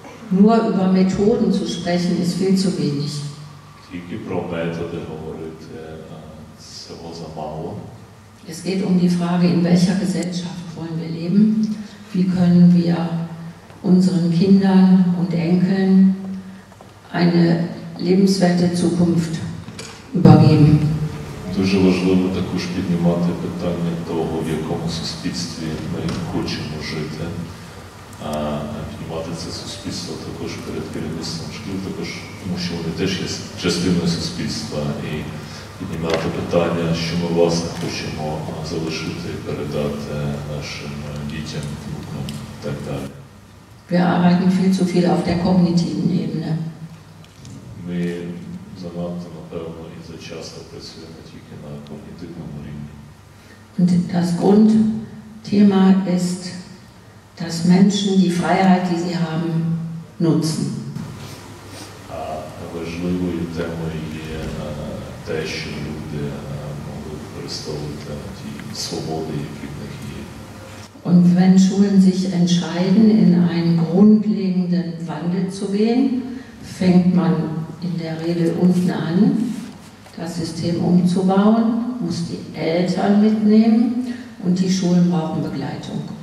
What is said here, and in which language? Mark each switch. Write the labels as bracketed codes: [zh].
[de] Nur über Methoden zu sprechen, ist viel zu wenig. [uk] Тільки про методи говорити цього замало. [de] Es geht um die Frage, in welcher Gesellschaft wollen wir leben? Wie können wir unseren Kindern und Enkeln eine lebenswerte Zukunft übergeben? [uk] Дуже важливо також піднімати питання того, в якому суспільстві ми хочемо жити. Піднімати це суспільство також перед керівництвом шкіл, також, тому що вони теж є частиною суспільства, і піднімати питання, що ми власне хочемо залишити, передати нашим дітям, внукам і так далі. [de] Wir arbeiten viel zu viel auf der kognitiven Ebene. [uk] Ми занадто, напевно, і зачасто працюємо тільки на когнітивному рівні. [de] Und das Grundthema ist, dass Menschen die Freiheit, die sie haben, nutzen. [uk] Важливою темою є те, що люди можуть використовувати ті свободи, які в них є. [de] Und wenn Schulen sich entscheiden, in einen grundlegenden Wandel zu gehen, fängt man in der Regel unten an, das System umzubauen, muss die Eltern mitnehmen und die Schulen brauchen Begleitung.